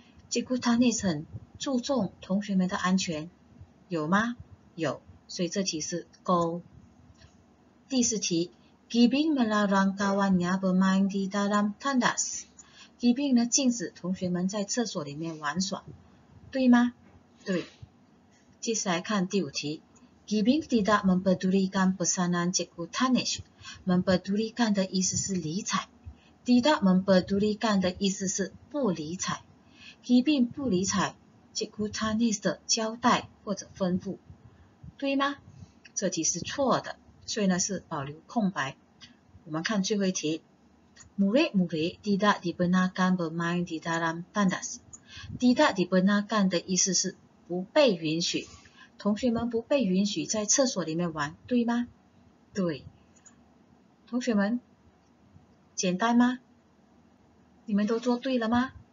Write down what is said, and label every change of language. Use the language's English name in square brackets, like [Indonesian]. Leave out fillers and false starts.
[Chinese] Cikgu Tanis 很注重同学们的安全. 有吗?有,所以这题是勾.第四题, [Malay] Gibing melarang kawannya bermain di dalam tandas. [Chinese] Gibing 禁止同学们在厕所里面玩耍. 对吗?对. 接下来看第五题, [Malay] Gibing tidak mempedulikan pesanan Cikgu Tanis. [Chinese] Mempedulikan 的意思是理睬.Tidak mempedulikan 的意思是不理睬. Gibing 不理睬 Cikgu Tanis 的交代. 或者吩咐, 对吗?这题是错的, 所以呢是保留空白. 我们看最后一题, [Malay] Murid-murid tidak dibenarkan bermain di dalam tandas. [Chinese] Tidak dibenarkan 的意思是不被允许, 同学们不被允许在厕所里面玩, 对吗?对. 同学们, 简单吗? 你们都做对了吗?